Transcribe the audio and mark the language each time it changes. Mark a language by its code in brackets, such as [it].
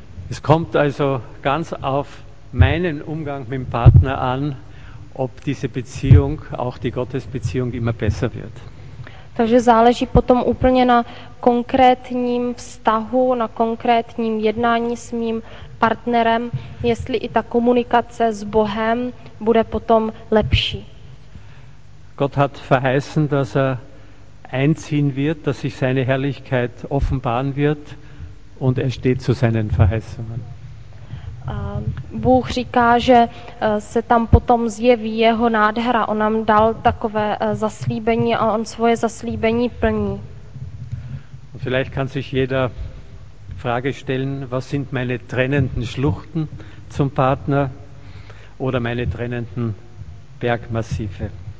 [de] Es kommt also ganz auf meinen Umgang mit dem Partner an, ob diese Beziehung, auch die Gottesbeziehung, immer besser wird. [cs] Takže záleží potom úplně na konkrétním vztahu, na konkrétním jednání s mým partnerem, jestli i ta komunikace s Bohem bude potom lepší. [de] Gott hat verheißen, dass er einziehen wird, dass sich seine Herrlichkeit offenbaren wird. Und er steht zu seinen Verheißungen. [cs] Bůh říká, že se tam potom zjeví jeho nádhera. On nám dal takové zaslíbení a on svoje zaslíbení plní. [de] Und vielleicht kann sich jeder Frage stellen, was sind meine trennenden Schluchten zum Partner oder meine trennenden Bergmassive?